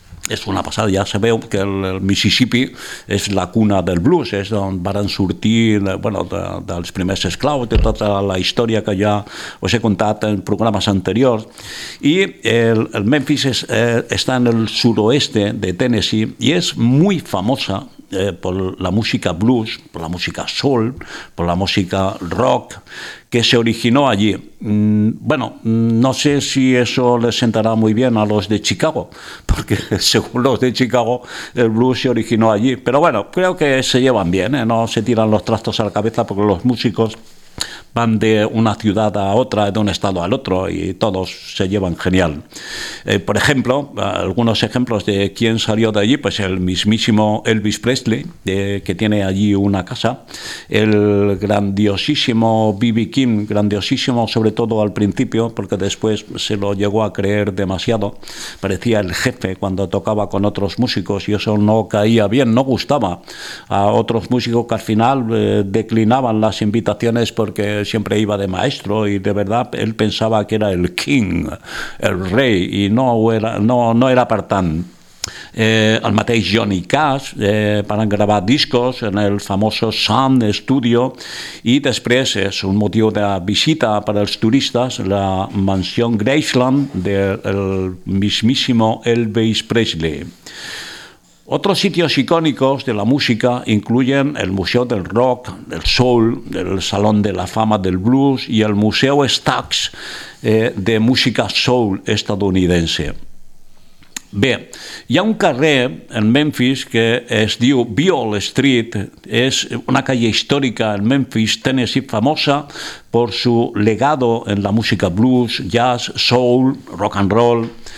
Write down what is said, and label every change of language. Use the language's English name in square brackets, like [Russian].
[Catalan] És una passada, ja sabeu que el Mississippi és la cuna del blues, és on varen sortir bueno, dels primers esclaus, de tota la història que ja us he contat en programes anteriors. I el Memphis està en el suroeste de Tennessee i és molt famosa per la música blues, per la música soul, per la música rock, [Spanish] que se originó allí. Bueno, no sé si eso les sentará muy bien a los de Chicago, porque según los de Chicago, el blues se originó allí. Pero bueno, creo que se llevan bien, ¿eh? No se tiran los trastos a la cabeza porque los músicos van de una ciudad a otra, de un estado al otro, y todos se llevan genial. Por ejemplo, algunos ejemplos de quién salió de allí, pues el mismísimo Elvis Presley, que tiene allí una casa, el grandiosísimo B.B. King, grandiosísimo sobre todo al principio, porque después se lo llegó a creer demasiado, parecía el jefe cuando tocaba con otros músicos, y eso no caía bien, no gustaba a otros músicos que al final declinaban las invitaciones porque siempre iba de maestro y de verdad él pensaba que era el king, el rey, y no era [Catalan] per tant. El mateix Johnny Cash van gravar discos en el famoso Sun Studio i després és un motiu de visita per als turistes la mansió Graceland [Spanish] del mismísimo [Catalan] Elvis Presley. [Spanish] Otros sitios icónicos de la música incluyen el Museo del Rock, del Soul, el Salón de la Fama del Blues y el Museo Stax de música soul estadounidense. [Catalan] Bé, hi ha un carrer en Memphis que es diu Beale Street, és una calle històrica en Memphis, Tennessee, [Spanish] famosa por su legado en la música blues, jazz, soul, rock and roll.